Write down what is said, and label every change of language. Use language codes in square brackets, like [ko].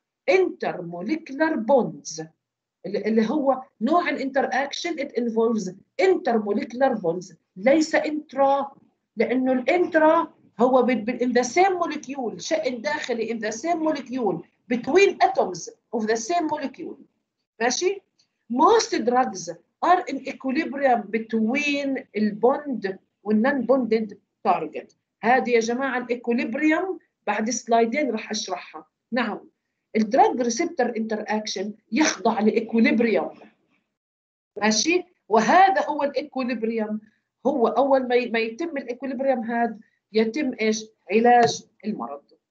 [en] intermolecular bonds [ar] اللي هو نوع الانتراكشن [en] it involves intermolecular bonds [ar] ليس انترا، لانه الانترا هو [en] in the same molecule، [ar] شأن داخلي [en] in the same molecule between atoms of the same molecule. ماشي most drugs are in equilibrium between the bond and non-bonded target. [ar] هذه يا جماعه الايكوليبريم بعد سلايدين راح اشرحها. نعم الدراج ريسبتر انتراكشن يخضع لايكوليبريم. ماشي وهذا هو الايكوليبريم، هو اول ما يتم الايكوليبريم هذا يتم ايش علاج المرض.